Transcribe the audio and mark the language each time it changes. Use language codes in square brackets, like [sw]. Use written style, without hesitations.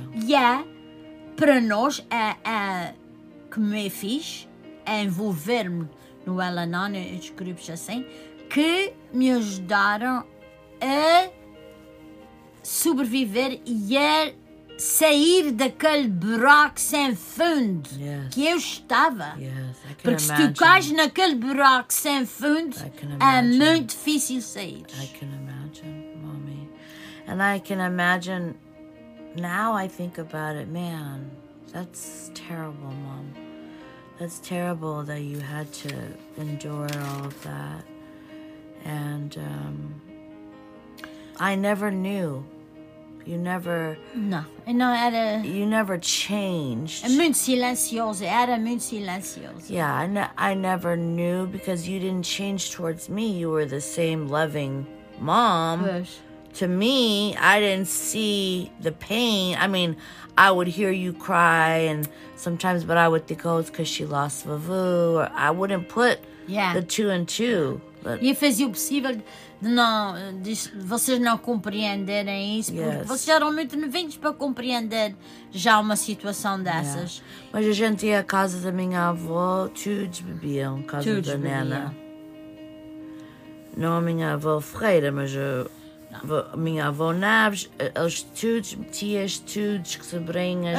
[pt] E é, para nós, é como é fixe, é envolver-me no Al-Anon e os grupos assim, que me ajudaram a sobreviver e a sair daquele buraco sem fundo, [en] yes, [pt] que eu estava. [en] Yes, [pt] porque imagine. Se tu cais naquele buraco sem fundo, é muito difícil sair. [en] I can imagine, mommy. And I can imagine, now I think about it, man, that's terrible, mom. That's terrible that you had to endure all of that. And I never knew. You never... [pt] No. No, era... [en] You never changed. [pt] Muito silencioso. Era muito silencioso. [en] Yeah, I never knew because you didn't change towards me. You were the same loving mom. [pt] Pois. [en] To me, I didn't see the pain. I mean, I would hear you cry and sometimes, but I would think, oh, it's because she lost Vavu. Or I wouldn't put the two and two. [pt] But... E fazia o possível... Não, vocês não compreenderem isso, porque vocês eram muito novinhos para compreender já uma situação dessas. Mas a gente ia à casa da minha avó, todos bebiam, casa todos da bebiam. Nena. Não a minha avó Ferreira, mas a minha avó Naves, as todos, tias, todos, sobrinhas.